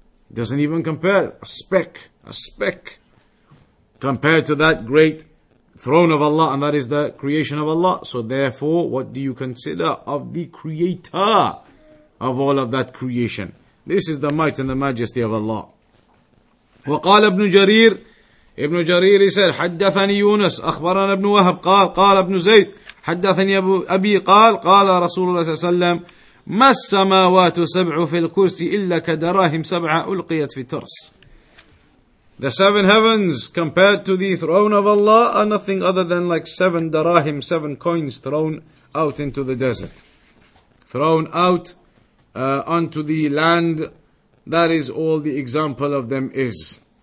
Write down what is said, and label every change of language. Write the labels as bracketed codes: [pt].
[en] It doesn't even compare. A speck. Compared to that great throne of Allah, and that is the creation of Allah. So therefore, what do you consider of the creator of all of that creation? This is the might and the majesty of Allah. [ar] وقال ابن جرير ابن جرير [en] said [ar] حدثني يونس أخبرنا ابن وهب قال ابن زيد حدثني أبي قال رسول الله صلى الله عليه وسلم ما السماوات سبع في الكرسي إلا كدراهم سبعة ألقيت في ترس. [en] The seven heavens compared to the throne of Allah are nothing other than like seven dirhams, seven coins thrown out into the desert. Thrown out onto the land. That is all the example of them is.